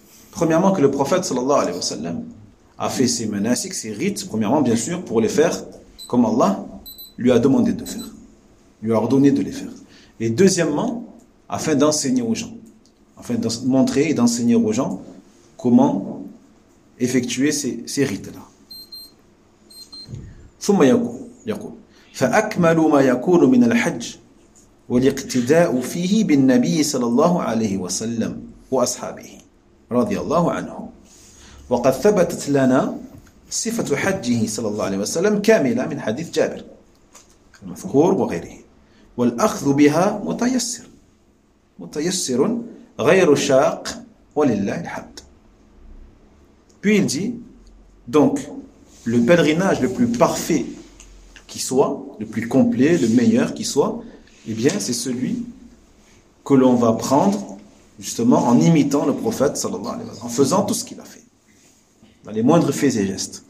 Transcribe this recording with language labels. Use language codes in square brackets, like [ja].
[fr] premièrement que le prophète sallallahu alayhi wa sallam a fait ses manasik ses rites premièrement bien sûr pour les faire comme Allah lui a demandé de faire lui a ordonné de les faire Et deuxièmement, afin d'enseigner aux gens, afin de montrer et d'enseigner aux gens comment effectuer ces rites-là. [ar] ثم يقول فأكمل ما يكون من الحج والاقتداء فيه بالنبي صلى الله عليه وسلم وأصحابه رضي الله عنه. وقد ثبتت لنا صفة حجه صلى الله عليه وسلم كاملة من حديث جابر المذكور وغيره، والأخذ بها متيسر متيسر غير شاق ولله الحمد. [fr] Puis il dit, donc, le pèlerinage le plus parfait qui soit, le plus complet, le meilleur qui soit, eh bien, c'est celui que l'on va prendre, justement, en imitant le prophète, sallallahu alayhi wa sallam, en faisant tout ce qu'il a fait, dans les moindres faits et gestes.